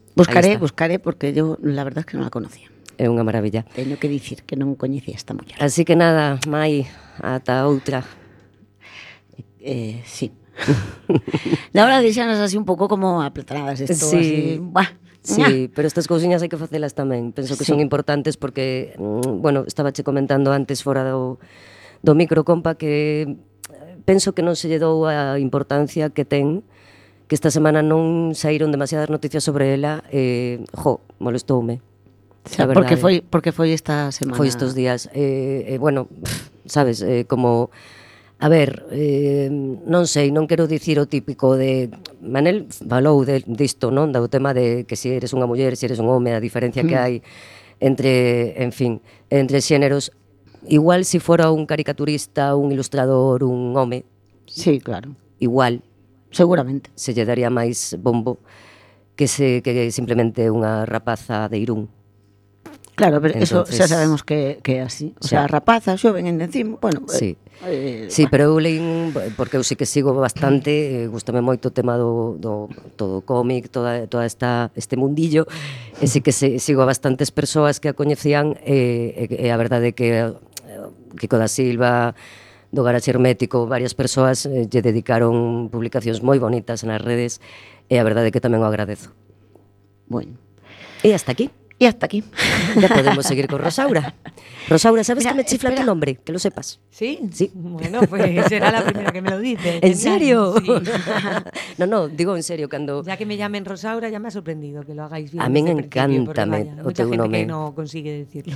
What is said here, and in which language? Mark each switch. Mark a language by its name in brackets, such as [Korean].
[Spanish] buscaré porque yo la verdad es que no la conocía. [Galician] É unha maravilla. Teño que dicir que non coñecía esta muller. Así que nada, Mai, ata outra. Sí. Na hora deixanos así un pouco como apretadas esto, sí. Así. Sí, pero estas cousiñas hai que facelas tamén. Penso que sí. Son importantes porque, bueno, estaba che comentando antes fora do microcompa que penso que non se lle dou a importancia que ten, que esta semana non saíron demasiadas noticias sobre ela. Molestoume. Sí, verdade, porque foi esta semana. Foi estos días. Bueno, sabes, como... A ver, non sei, non quero dicir o típico de... Manel falou disto, non? Do tema de que se eres unha muller, se eres un home, a diferencia que hai entre, en fin, entre xéneros. Igual se fora un caricaturista, un ilustrador, un home. Sí, claro. Igual. Seguramente. Se lle daría máis bombo que simplemente unha rapaza de Irún. [Spanish] Claro, pero entonces, eso ya sabemos que así. [Galician] O sea, rapazas, xoven, encima. Bueno, sí. Sí, pero eu leín, porque eu sí que sigo bastante, gustame moito o tema do todo cómic, toda esta este mundillo, e sí que sigo a bastantes persoas que a coñecían, a verdade é que Kiko da Silva, do Garaxe Hermético, varias persoas lle dedicaron publicacións moi bonitas nas redes, e a verdade é que tamén o agradezo. Bueno. E hasta aquí. E hasta aquí. [Spanish] Ya podemos seguir con Rosaura. Rosaura, ¿sabes que me chifla tu nombre? Que lo sepas. ¿Sí? Sí. Bueno, pues será la primera que me lo dice. ¿En serio? Sí. No, digo en serio. Cuando... Ya que me llamen Rosaura, ya me ha sorprendido que lo hagáis bien. A mí me encanta. Mucha gente que no consigue decirlo.